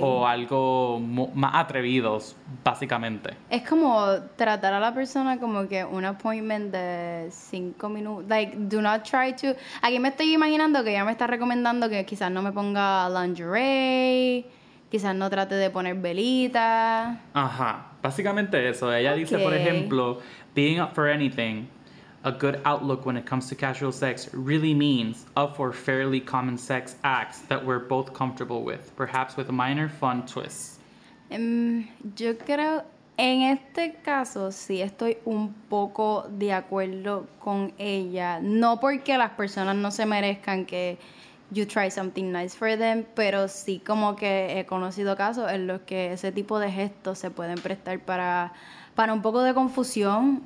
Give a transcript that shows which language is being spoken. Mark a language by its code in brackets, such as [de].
[es] O algo más atrevidos, básicamente. Es como tratar a la persona como que un appointment de 5 minutos. [en] Like, do not try to... [es] Aquí me estoy imaginando que ella me está recomendando que quizás no me ponga lingerie, quizás no trate de poner velita. Ajá, básicamente eso. Ella dice, por ejemplo, [en] being up for anything, a good outlook when it comes to casual sex really means up for fairly common sex acts that we're both comfortable with, perhaps with minor fun twists. [es] Yo creo, en este caso, sí estoy un poco de acuerdo con ella. No porque las personas no se merezcan que [en] you try something nice for them, [es] pero sí como que he conocido casos en los que ese tipo de gestos se pueden prestar para un poco de confusión.